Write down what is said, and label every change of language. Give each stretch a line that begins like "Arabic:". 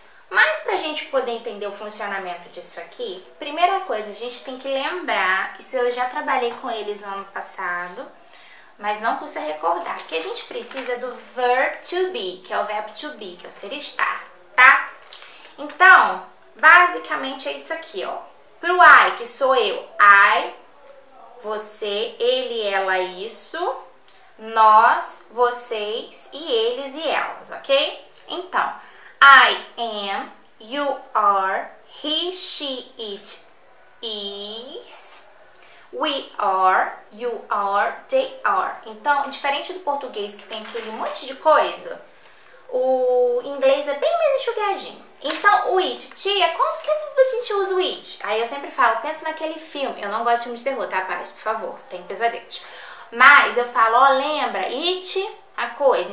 Portuguese: Mas pra gente poder entender o funcionamento disso aqui, primeira coisa, a gente tem que lembrar, isso eu já trabalhei com eles no ano passado, mas não custa recordar, que a gente precisa do verb to be, que é o verbo to be, que é o ser estar, tá? Então, basicamente é isso aqui, ó. Pro I, que sou eu, I, você, ele, ela, isso, nós, vocês, e eles e elas, ok?
English: Então, I am, you are, he, she, it, is, we are, you are, they are.
Portuguese: Então, diferente do português que tem aquele monte de coisa, o inglês é bem mais enxugadinho. Então, o it, tia, quando que a gente usa o it? Aí eu sempre falo, pensa naquele filme, eu não gosto de filme de terror, tá, rapaz? Por favor, tem pesadelos. Mas eu falo, ó, lembra, it, a coisa.